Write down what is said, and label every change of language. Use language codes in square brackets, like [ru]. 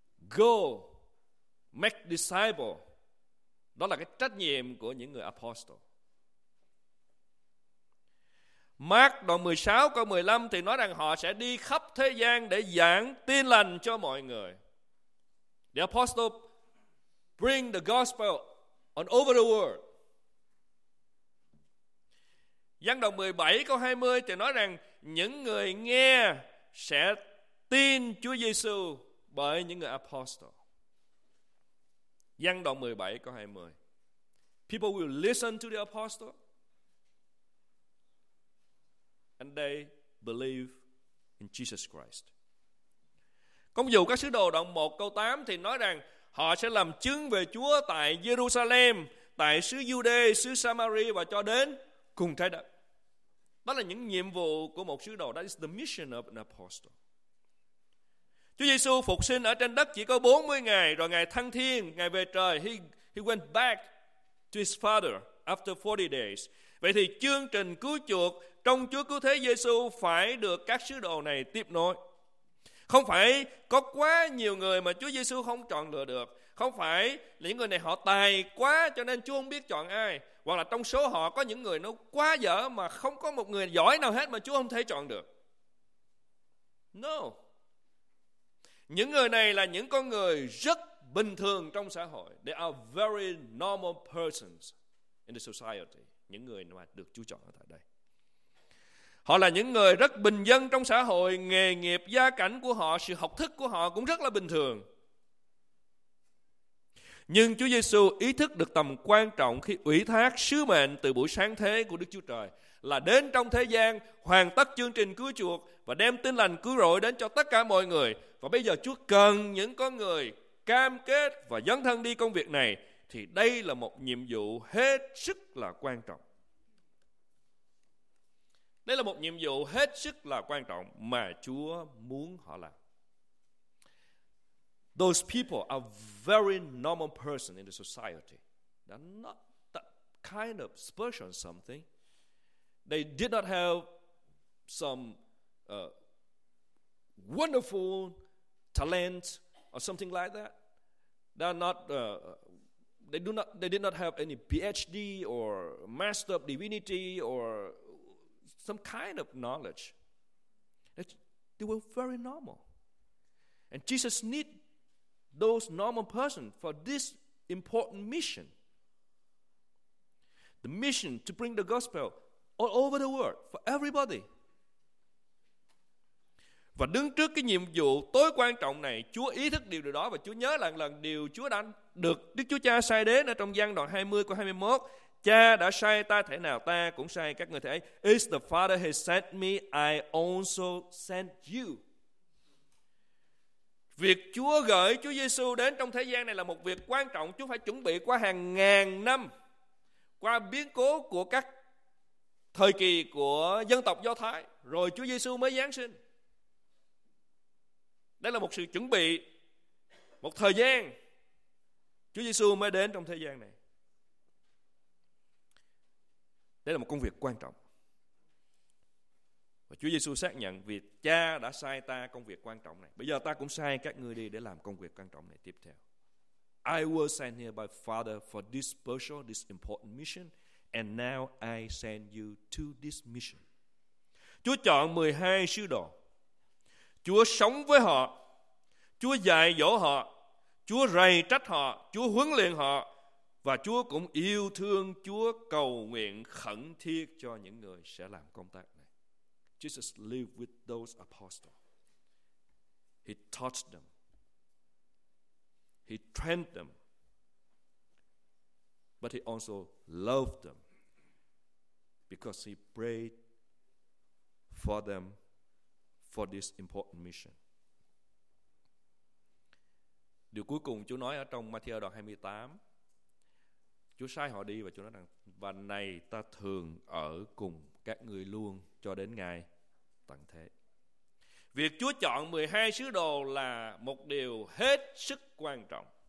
[en] Go, make disciples. [vi] Đó là cái trách nhiệm của những người apostle. Mark đoạn 16 câu 15 thì nói rằng họ sẽ đi khắp thế gian để giảng tin lành cho mọi người. [en] The apostle bring the gospel on over the world. [vi] Giăng đoạn 17 câu 20 thì nói rằng những người nghe sẽ tin Chúa Giê-xu bởi những người apostle. Giăng đoạn 17 câu 20. [en] People will listen to the apostle and they believe in Jesus Christ. [vi] Công vụ các sứ đồ đoạn 1 câu 8 thì nói rằng họ sẽ làm chứng về Chúa tại Jerusalem, tại xứ Giu-đê, xứ Samari và cho đến cùng trái đất. Đó là những nhiệm vụ của một sứ đồ. [en] That is the mission of an apostle. [vi] Chúa Giê-xu phục sinh ở trên đất chỉ có 40 ngày, rồi Ngài thăng thiên, Ngài về trời. [en] He went back to his father after 40 days. [vi] Vậy thì chương trình cứu chuộc trong Chúa Cứu Thế Giê-xu phải được các sứ đồ này tiếp nối. Không phải có quá nhiều người mà Chúa Giê-xu không chọn lựa được. Không phải những người này họ tài quá cho nên Chúa không biết chọn ai. Hoặc là trong số họ có những người nó quá dở mà không có một người giỏi nào hết mà Chúa không thể chọn được. [en] No. [vi] Những người này là những con người rất bình thường trong xã hội. [en] They are very normal persons in the society. [vi] Những người mà được Chúa chọn ở tại đây. Họ là những người rất bình dân trong xã hội. Nghề nghiệp, gia cảnh của họ, sự học thức của họ cũng rất là bình thường. Nhưng Chúa Giê-xu ý thức được tầm quan trọng khi ủy thác sứ mệnh từ buổi sáng thế của Đức Chúa Trời là đến trong thế gian, hoàn tất chương trình cứu chuộc và đem tin lành cứu rỗi đến cho tất cả mọi người. Và bây giờ Chúa cần những con người cam kết và dấn thân đi công việc này, thì đây là một nhiệm vụ hết sức là quan trọng. Đây là một nhiệm vụ hết sức là quan trọng mà Chúa muốn họ làm. [en] Those people are very normal person in the society. They're not that kind of special something. They did not have some wonderful talent or something like that. They're not. They did not have any PhD or Master of Divinity or some kind of knowledge. They were very normal, and Jesus need those normal person for this important mission. The mission to bring the gospel all over the world for everybody. [vi] Và đứng trước cái nhiệm vụ tối quan trọng này, Chúa ý thức điều đó và Chúa nhớ lại lần điều Chúa đã được Đức Chúa Cha sai đến ở trong Giăng đoạn 20 câu 21. Cha đã sai ta thể nào ta cũng sai các người thể ấy. [en] It's the Father has sent me, I also sent you. [vi] Việc Chúa gửi Chúa Giê-xu đến trong thế gian này là một việc quan trọng. Chúa phải chuẩn bị qua hàng ngàn năm, qua biến cố của các thời kỳ của dân tộc Do Thái, rồi Chúa Giêsu mới giáng sinh. Đây là một sự chuẩn bị, một thời gian Chúa Giêsu mới đến trong thế gian này. Đây là một công việc quan trọng. Và Chúa Giêsu xác nhận vì Cha đã sai ta công việc quan trọng này, bây giờ ta cũng sai các ngươi đi để làm công việc quan trọng này tiếp theo. [en] I was sent here by Father for this special, this important mission, and now I send you to this mission. [vi] Chúa chọn 12 sứ đồ. Chúa sống với họ, Chúa dạy dỗ họ, Chúa rầy trách họ, Chúa huấn luyện họ, và Chúa cũng yêu thương, Chúa cầu nguyện khẩn thiết cho những người sẽ làm công tác này. [en] Jesus lived with those apostles. He taught them. He trained them. But he also loved them because he prayed for them for this important mission. [vi] Điều cuối cùng Chúa nói ở trong Matthew đoạn 28, Chúa sai họ đi và Chúa nói rằng, và này ta thường ở cùng các ngươi luôn cho đến ngày tận thế. Việc Chúa chọn 12 sứ đồ là một điều hết sức quan trọng.